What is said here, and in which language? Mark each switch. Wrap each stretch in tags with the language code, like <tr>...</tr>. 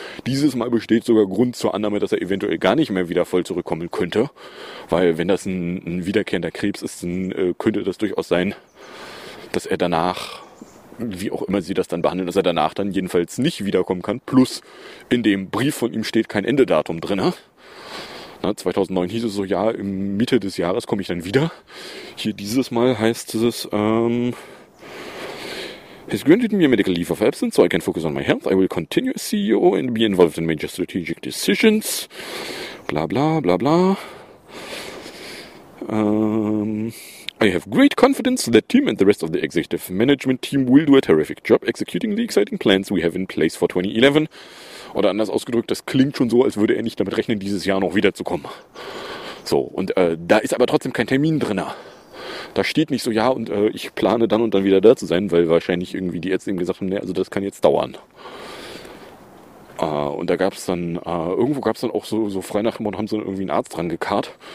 <de>Dieses Mal besteht sogar Grund zur Annahme, dass er eventuell gar nicht mehr wieder voll zurückkommen könnte, weil wenn das ein wiederkehrender Krebs ist, dann könnte das durchaus sein, dass er danach, wie auch immer sie das dann behandeln, dass er danach dann jedenfalls nicht wiederkommen kann. Plus, in dem Brief von ihm steht kein Endedatum drin. Ne? Na, 2009 hieß es so, ja, im Mitte des Jahres komme ich dann wieder. Hier dieses Mal heißt es,</de> <en>has granted me a medical leave of absence, so I can focus on my health. I will continue as CEO and be involved in major strategic decisions. Bla, bla, bla, bla. I have great confidence that team and the rest of the executive management team will do a terrific job executing the exciting plans we have in place for 2011.</en> <de>Oder anders ausgedrückt, das klingt schon so, als würde er nicht damit rechnen, dieses Jahr noch wiederzukommen. So, und da ist aber trotzdem kein Termin drin. Da steht nicht so, ja, und ich plane dann und dann wieder da zu sein, weil wahrscheinlich irgendwie die Ärzte ihm gesagt haben, ne, also das kann jetzt dauern. Und da gab es dann, irgendwo gab es dann auch so frei nach dem Motto, haben sie dann irgendwie einen Arzt dran gekarrt.</de>